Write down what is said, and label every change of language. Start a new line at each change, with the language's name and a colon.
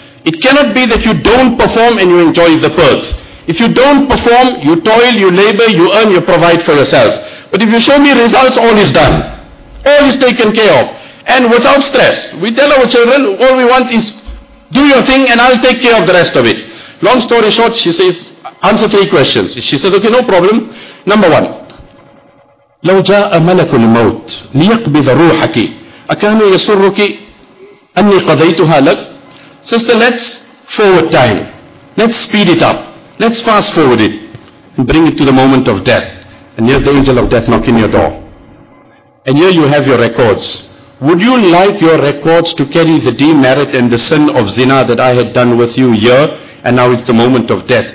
English: It cannot be that you don't perform and you enjoy the perks. If you don't perform, you toil, you labor, you earn, you provide for yourself. But if you show me results, all is done. All is taken care of. And without stress. We tell our children, all we want is, do your thing and I'll take care of the rest of it. Long story short, she says, answer three questions. She says, okay, no problem. Number one.
Arabic: لو جاء ملك الموت ليقبض روحك أكان يسرك أني قضيتها لك.
English: Sister, let's forward time. Let's speed it up. Let's fast forward it and bring it to the moment of death. And here the angel of death knocking your door. And here you have your records. Would you like your records to carry the demerit and the sin of zina that I had done with you here, and now it's the moment of death?